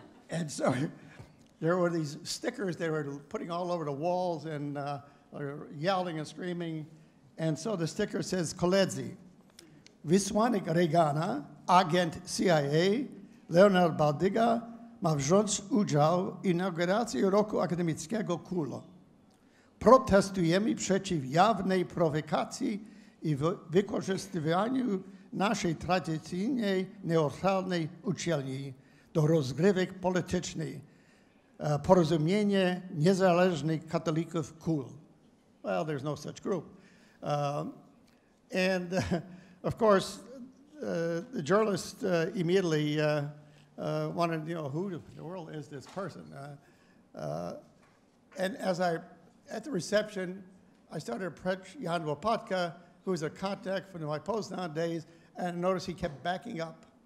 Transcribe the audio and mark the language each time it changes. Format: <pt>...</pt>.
<en>And so there were these stickers they were putting all over the walls and yelling and screaming. And so the sticker says,</en> <pl>Koledzy, Wysłannik Reagana, agent CIA, Leonard Baldyga, ma wziąć udział w inauguracji roku akademickiego KULO. Protestujemy przeciw jawnej prowokacji i wykorzystywaniu naszej tradycyjnej, neutralnej uczelni do rozgrywek politycznych. Porozumienie niezależnych katolików KUL.</pl> <en>Well, there's no such group. Of course, the journalist immediately wanted to know who in the world is this person. And as I, at the reception, I started to approach Jan Lopatka, who was a contact from my Poznan days, and I noticed he kept backing up.</en>